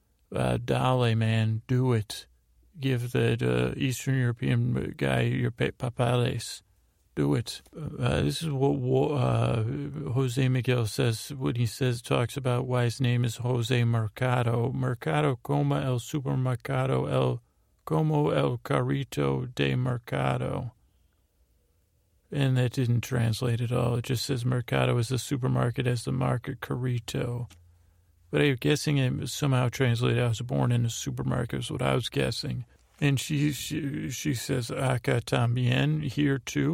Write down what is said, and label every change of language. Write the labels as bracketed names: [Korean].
[English] Dale, man, do it. Give that Eastern European guy your papeles. Do it. This is what Jose Miguel says when he says, talks about why his name is Jose Mercado. [Spanish] Mercado como el supermercado, el como el carrito de mercado. [English] And that didn't translate at all. It just says mercado is the supermarket as the market carrito. But I'm guessing it somehow translated, I was born in a supermarket is what I was guessing. And she says, [Spanish] acá también, [English] here too.